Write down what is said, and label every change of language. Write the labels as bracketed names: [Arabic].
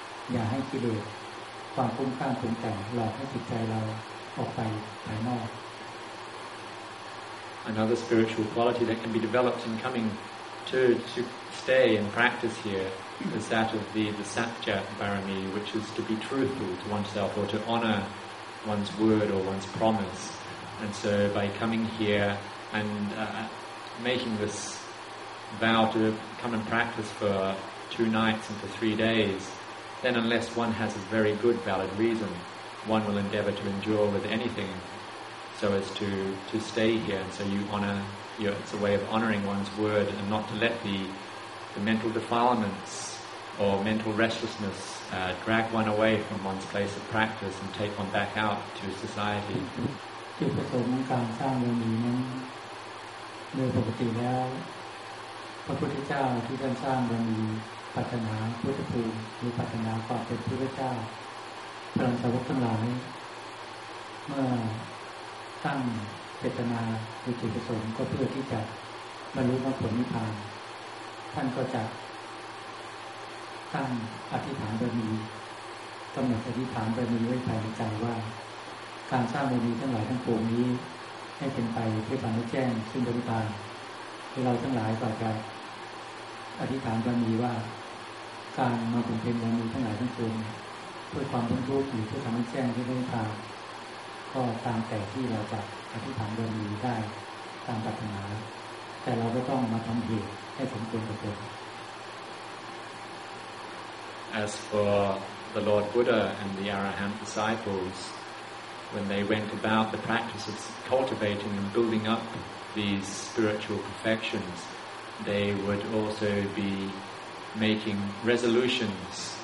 [Thai] อย่าให้กิเลสความคุ้มข้างคุ้มแต่งหลอกให้จิตใจเราออกไปภายนอก [English] Another spiritual quality that can be developed in comingto stay and practice here is that of the Satya Barami, which is to be truthful to oneself or to honor one's word or one's promise. And so by coming here and making this vow to come and practice for 2 nights and for 3 days, then unless one has a very good valid reason, one will endeavor to endure with anything so as to stay here. And so you honorYeah, it's a way of honoring one's word and not to let the mental defilements or mental restlessness drag one away from one's place of practice and take one back out to society. The purpose of creating the Barami, in general, the Buddha who created the Barami, is to develop the Buddha or to develop the Buddha to become the Buddha. All the Buddhas, when [Thai] เจตนาคือจุดประสงค์ก็เพื่อที่จะบรรลุมรรคผลนิพพานท่านก็จะตั้งอธิษฐานบารมีกำหนดอธิษฐานบารมีไว้ภายในใจว่าการสร้างบารมีทั้งหลายทั้งปวงนี้ให้เป็นไปเพื่อความแจ้งซึ่งนิพพานที่เราทั้งหลายก็จะ อธิษฐานบารมีว่าการมาบำเพ็ญบารมีทั้งหลายทั้งปวงเพื่อความพ้นทุกข์หรือเพื่อความแจ้งซึ่งนิพพานก็ตามแต่ที่เราจะอธิษฐานบารมีได้ตามปรารถนาแต่เราก็ต้องมาทำเหตุให้สมควรกับตน [English] As for the Lord Buddha and the Arahant disciples, when they went about the practice of cultivating and building up these spiritual perfections, they would also be making resolutions.